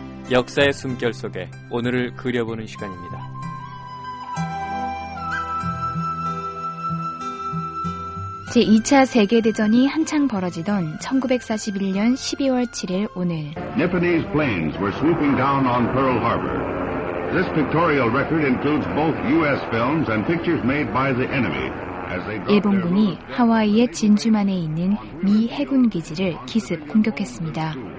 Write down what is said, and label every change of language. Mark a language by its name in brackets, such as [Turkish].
[Korean] 역사의 숨결 속에 오늘을 그려보는 시간입니다. 제2차 세계대전이 한창 벌어지던 1941년 12월 7일 오늘. [English] Japanese planes were swooping down on Pearl Harbor. This pictorial record includes both US films and pictures made by the enemy. [Korean] 일본군이 하와이의 진주만에 있는 미 해군 기지를 기습 공격했습니다.